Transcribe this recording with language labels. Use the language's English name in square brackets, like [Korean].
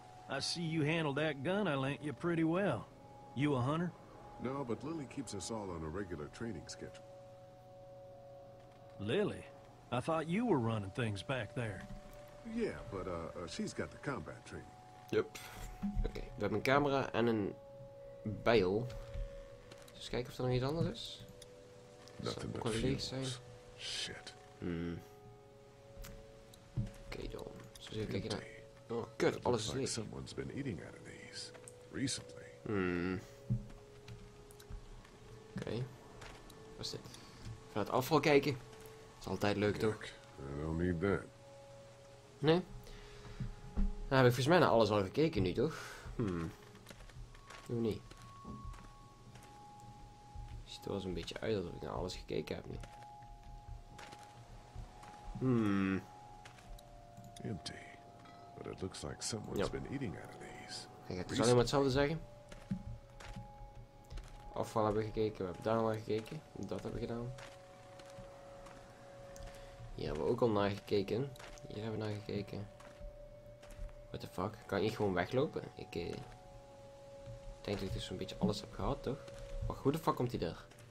[English] I see you handled that gun I lent you pretty well. You a hunter? No, but Lily keeps us all on a regular training schedule. Lily? I thought you were running things back there. Yeah, but she's got the combat training. Yep. [Dutch] Okay, we hebben een camera en een bijl. Dus kijken of er nog iets anders is. [English] Nothing but fields. Shit. [Dutch] Okay, dan. Zo zie ik kijken naar. Oh, kut, alles is leeg. [English] Someone's been eating out of these recently. [Dutch] Okay. Wat is dit? Van het afval kijken. Dat is altijd leuk, toch? [English] I don't need that. [Dutch] Nee? Nou, heb ik volgens mij naar alles al gekeken nu, toch? Doe niet. Het ziet er wel eens een beetje uit dat ik naar alles gekeken heb nu. [English] Empty. But it looks like someone's been eating out of these. [Dutch] Kijk, het is alleen maar hetzelfde zeggen. Afval hebben we gekeken, we hebben daar naar gekeken. Dat hebben we gedaan. Hier hebben we ook al naar gekeken. Hier hebben we naar gekeken. [English] What the fuck? [Dutch] Kan ik gewoon weglopen? Ik denk dat ik dus een beetje alles heb gehad, toch? Maar hoe de fuck komt hij er?